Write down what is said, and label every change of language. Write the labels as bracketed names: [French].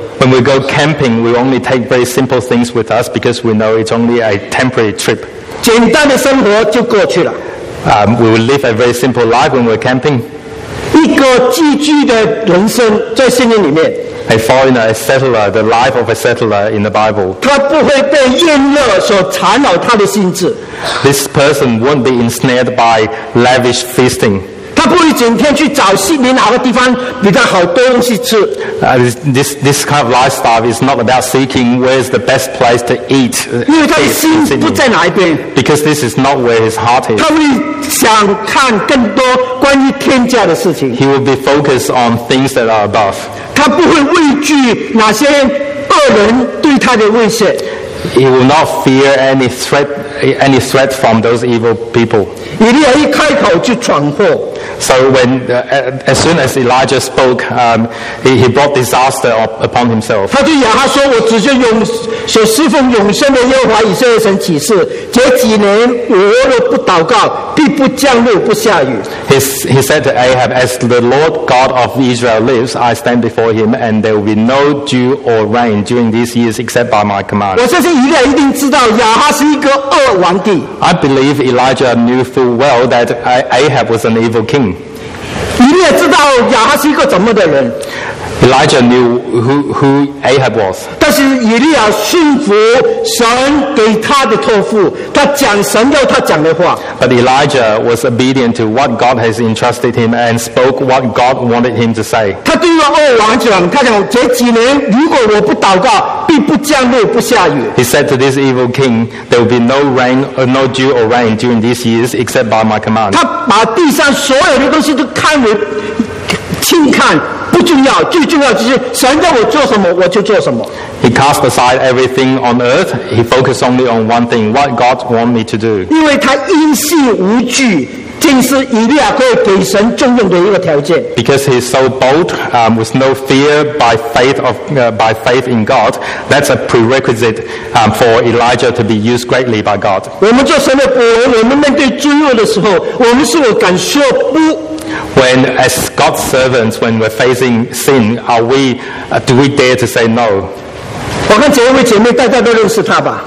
[English] When we go camping, we only take very simple things with us because we know it's only a temporary trip. [Chinese] 简单的生活就过去了。 [English] We will live a very simple life when we're camping. [Chinese] 一个寄居的人生在圣经里面。 [English] A foreigner, a settler, the life of a settler in the Bible. [Chinese] 他不会被宴乐所缠扰他的心智。 [English] This person won't be ensnared by lavish feasting. [Chinese] 他不会整天去找西边哪个地方比较好多东西吃。 [English] This kind of lifestyle is not about seeking where's the best place to eat. [Chinese] 因为他的心不在哪一边。 [English] Because this is not where his heart is. [Chinese] 他会想看更多关于天家的事情。 [English] He will be focused on things that are above. [Chinese] 他不会畏惧哪些恶人对他的威胁。 [English] He will not fear any threat from those evil people. [Chinese] 以利亚一开口就闯祸。 [English] So when, as soon as Elijah spoke, he brought disaster upon himself. [Chinese] 他对亚哈说：“我只是用所侍奉永生的耶和华以色列神起誓，这几年我若不祷告，必不降露不下雨。” [English] He said to Ahab, "As the Lord God of Israel lives, I stand before Him, and there will be no dew or rain during these years except by my command." [Chinese] 我相信以利亚一定知道亚哈是一个恶王帝。 [English] I believe Elijah knew full well that Ahab was an evil king. [Chinese] 以利亚知道亚哈是一个怎么的人。 [English] Elijah knew who Ahab was. [Chinese] 但是以利亚顺服神给他的托付，他讲神要他讲的话。 [English] But Elijah was obedient to what God has entrusted him and spoke what God wanted him to say. [Chinese] 他对那恶王讲，他讲这几年如果我不祷告，必不降露不下雨。 [English] He said to this evil king, "There will be no rain, or no dew or rain during these years, except by my command." [Chinese] 他把地上所有的东西都看为轻看。不重要，最重要就是神叫我做什么，我就做什么。 [English] He cast aside everything on earth. He focused only on one thing: what God wants me to do. [Chinese] 因为他因信无惧，正是以利亚可以给神重用的一个条件。 [English] Because he is so bold, with no fear by faith in God, that's a prerequisite for Elijah to be used greatly by God. [Chinese] 我们做神的仆人，我们面对罪恶的时候，我们是否敢说不？ [English] When, as God's servants, when we're facing sin, do we dare to say no? [Chinese] 我看这位姐妹，大家都认识她吧。